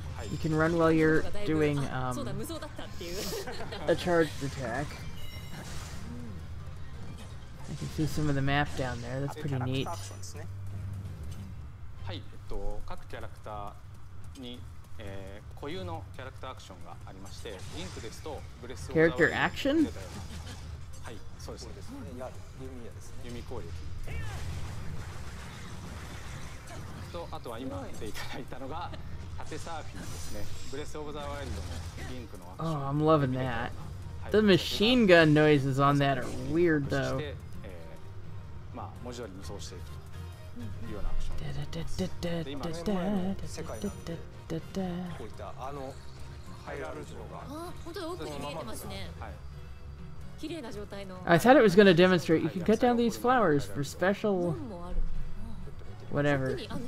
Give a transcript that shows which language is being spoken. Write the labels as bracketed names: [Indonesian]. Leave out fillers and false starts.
[English] You can run while you're doing a charged attack. I can see some of the map down there, that's pretty neat. [Japanese] 固有のキャラクターアクションがありまして、リンクですとブレスキャラクターアクション、はい、そうです、ですね、やる弓矢ですね、弓攻撃と、あとは今見ていただいたのが縦サーフィンですね、ブレスオブザワイルドのリンクのアクション。 [English] Oh, I'm loving that. The machine gun noises on that are weird though. [Japanese] まあ文字通り無双しているというようなアクションで、今ね、前の世界なんでこういったあのハイラル城が、あ、本当に奥に見えてますね、はい、綺麗な状態の。 [English] I thought it was going to demonstrate you can cut down these flowers for special whatever.